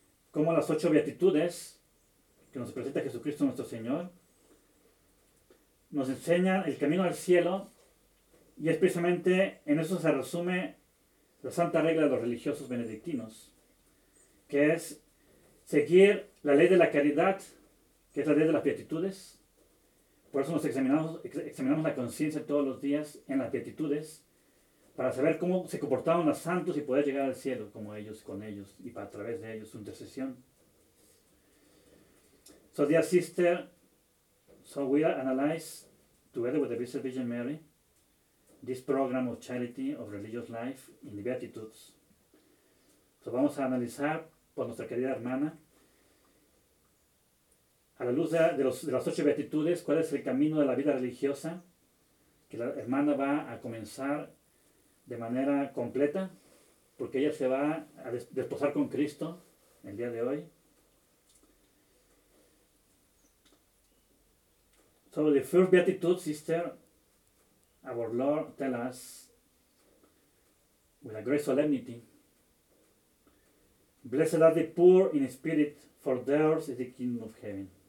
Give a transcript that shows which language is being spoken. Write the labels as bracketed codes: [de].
[es] como las ocho beatitudes que nos presenta Jesucristo nuestro Señor, nos enseñan el camino al cielo, y es precisamente en eso se resume la santa regla de los religiosos benedictinos, que es seguir la ley de la caridad, que es la ley de las beatitudes. Por eso nos examinamos la conciencia todos los días en las beatitudes, para saber cómo se comportaron los santos y poder llegar al cielo como ellos, con ellos, y a través de ellos, su intercesión. [en] So, dear sister, so we analyze, together with the Blessed Virgin Mary, this program of charity of religious life in the Beatitudes. [es] So vamos a analizar por nuestra querida hermana, a la luz de las ocho beatitudes, cuál es el camino de la vida religiosa que la hermana va a comenzar de manera completa, porque ella se va a desposar con Cristo el día de hoy. [en] So the first beatitude, sister, our Lord tell us with a great solemnity: Blessed are the poor in spirit, for theirs is the kingdom of heaven.